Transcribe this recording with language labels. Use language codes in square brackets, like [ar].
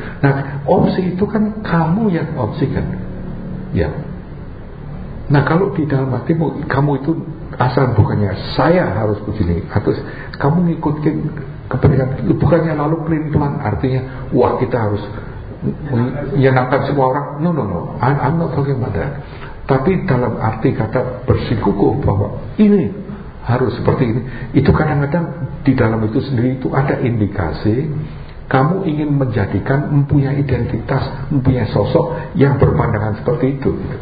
[id] Nah, opsi itu kan kamu yang opsikan, ya. Nah, kalau di dalam hatimu kamu itu asal bukannya saya harus begini, atau kamu ngikutin keperingan, bukannya lalu pelin pelan artinya wah kita harus menyenangkan semua orang. [en] No, I'm not talking about that. [id] Tapi dalam arti kata bersikukuh bahwa ini harus seperti ini, itu kadang-kadang di dalam itu sendiri itu ada indikasi kamu ingin menjadikan, mempunyai identitas, mempunyai sosok yang berpandangan seperti itu.